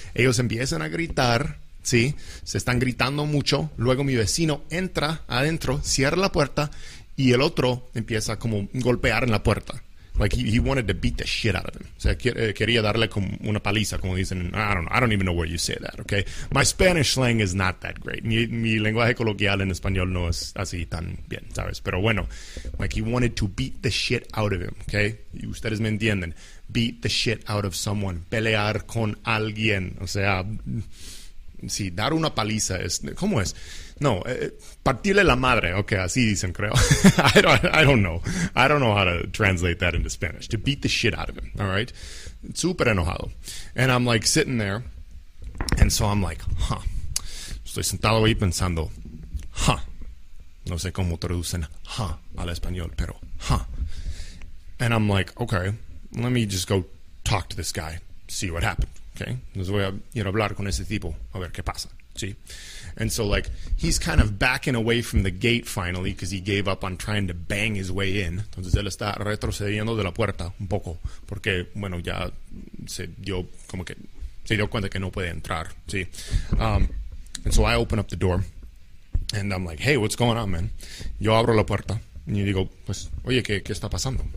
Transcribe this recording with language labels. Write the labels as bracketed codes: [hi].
[es] Ellos empiezan a gritar, ¿sí? Se están gritando mucho. Luego mi vecino entra adentro, cierra la puerta, y el otro empieza como golpear en la puerta. [en] Like he wanted to beat the shit out of him. [es] O sea, quería darle como una paliza, como dicen. [en] I don't even know where you say that, okay? My Spanish slang is not that great. [es] Mi lenguaje coloquial en español no es así tan bien, ¿sabes? Pero bueno, [en] like he wanted to beat the shit out of him, okay? [es] Y ustedes me entienden. [en] Beat the shit out of someone. [es] Pelear con alguien. O sea, sí, dar una paliza es... ¿Cómo es? No, partirle la madre. Okay, así dicen, creo. [en] I don't know. I don't know how to translate that into Spanish. To beat the shit out of him, all right? [es] Super enojado. [en] And I'm like sitting there. And so I'm like, huh. [es] Estoy sentado ahí pensando, huh. No sé cómo traducen huh al español, pero huh. [en] And I'm like, okay, let me just go talk to this guy. See what happened, okay? [es] Entonces voy a ir a hablar con ese tipo. A ver qué pasa, ¿sí? [en] And so, like, he's kind of backing away from the gate finally because he gave up on trying to bang his way in. [es] Entonces, él está retrocediendo de la puerta un poco porque, bueno, ya se dio como que se dio cuenta que no puede entrar, ¿sí? [en] And so, I open up the door and I'm like, hey, what's going on, man? [es] Yo abro la puerta y digo, pues, oye, ¿qué está pasando?